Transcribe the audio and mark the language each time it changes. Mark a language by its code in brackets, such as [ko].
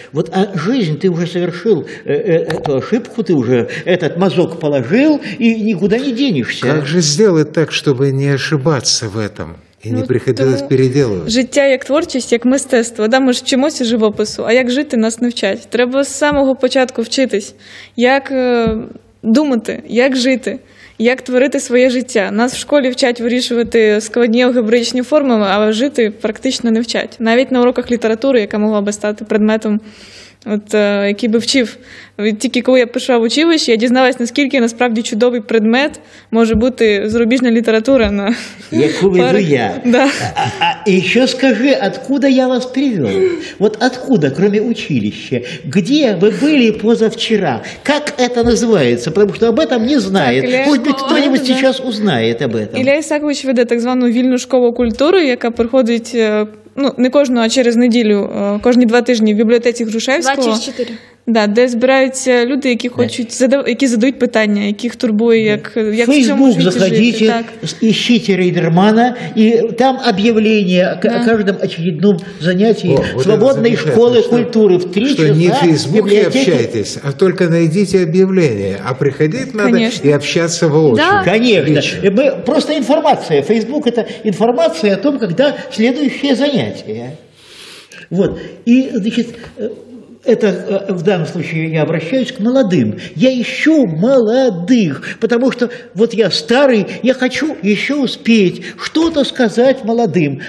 [ru] Вот, а жизнь, ты уже совершил эту ошибку, ты уже этот мазок положил и никуда не денешься. Как же сделать так, чтобы не ошибаться в этом? [uk] І не приходилось переделувати. Життя як творчість, як мистецтво. Да, ми ж вчимося живопису, а як жити, нас не вчать. Треба з самого початку вчитись, як думати, як жити. Як творити своє життя? Нас в школі вчать вирішувати складні алгебраїчні формули, а жити практично не вчать. Навіть на уроках літератури, яка могла би стати предметом, який би вчив. Тільки коли я пішла в училище, я дізналась, наскільки насправді чудовий предмет може бути зарубіжна література. На яку веду парах. Я? Да. [ru] А ще скажи, откуда я вас привел? От откуда, кроме училища? Где [uk] ви були позавчора? Як це називається? Тому що об этом не знає. Може бути, хто-нибудь зараз узнає об этом. Ілля Ісакович веде так звану вільну школу культури, яка приходить... Ну, не кожну, а через неділю, кожні два тижні в бібліотеці Грушевського. 24. Да, де збираються люди, які хочуть, які задають питання, яких турбує, як в цьому житті Фейсбук заходите, ищите Рейдермана, і там об'явлення о кожному очередному занятті свободної школи культури в 3 часа. [ru] Не в Фейсбуке общайтесь, а только найдите об'явление, а приходить надо [uk] і общаться воочию. [ru] Да? Конечно. Мы, [uk] просто інформація. [ru] Фейсбук – [uk] це інформація [ru] о том, когда следующее занятие. Вот. И, значит, это в данном случае я обращаюсь к молодым. Я ищу молодых, потому что вот я старый, я хочу еще успеть что-то сказать молодым.